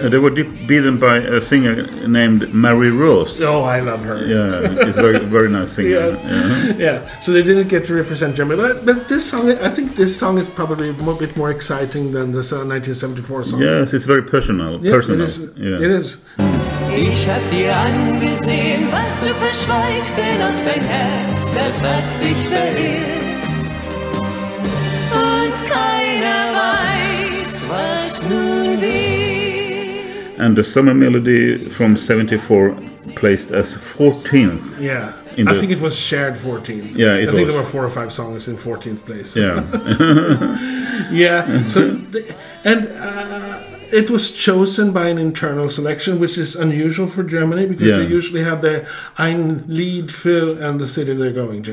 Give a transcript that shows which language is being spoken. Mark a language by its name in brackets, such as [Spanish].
[English] They were beaten by a singer named Marie Rose. Oh, I love her. Yeah, she's a very, very nice singer. Yeah. Yeah. Yeah, so they didn't get to represent Germany. But this song, I think this song is probably a bit more exciting than the 1974 song. Yes, it's very personal. Yeah, personal. It is. [German] Ich hab dir angesehen, was du verschweigst, denn auch dein Herz, das hat sich verirrt. Und keiner weiß, was nun wird. [English] And the Summer Melody from 74 placed as 14th. Yeah. I think it was shared 14th. Yeah, I think there were four or five songs in 14th place. Yeah. Yeah. So it was chosen by an internal selection, which is unusual for Germany because they usually have their Ein Lied für and the city they're going to.